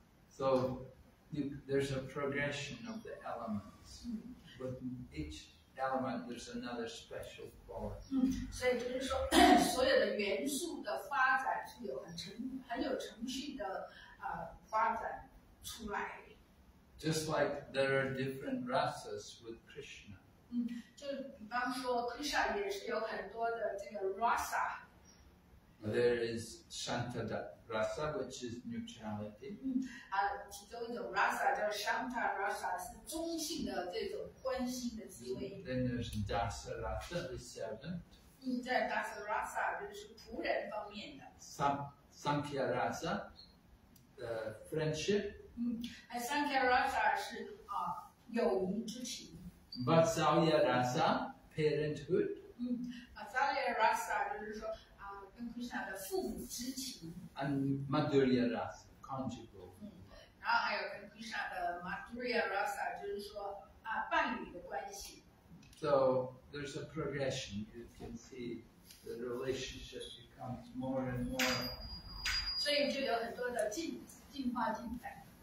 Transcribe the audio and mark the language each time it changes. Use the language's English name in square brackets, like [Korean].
[English] So there's a progression of the elements. With each element, there's another special quality. [Chinese] 所以就是说，所有的元素的发展是有很程序的发展出来。 [English] Just like there are different rasas with Krishna. [Chinese] 就比方说 Krishna 也是有很多的这个 rasa。 [English] There is Shanta rasa, which is neutrality. [Chinese] 其中一种 rasa 叫 Shanta rasa， 是中性的这种欢欣的滋味。 [English] Then there's Dasa rasa, the servant. [Chinese] 在 Dasa rasa 就是仆人方面的。 [English] Sankhya rasa, the friendship. [Chinese] 而 Sankhya rasa 是友谊之情。 [English] Vatsalya rasa, parenthood. [Chinese] Vatsalya rasa 就是说。跟 Krishna 的父母之情 [English] ，and Madhurya rasa conjugal， [Chinese] 然后还有跟 Krishna 的 Madhurya rasa， 就是说伴侣的关系。 [English] So there's a progression. You can see the relationship becomes more and more. [Chinese] 所以就有很多的进化进展。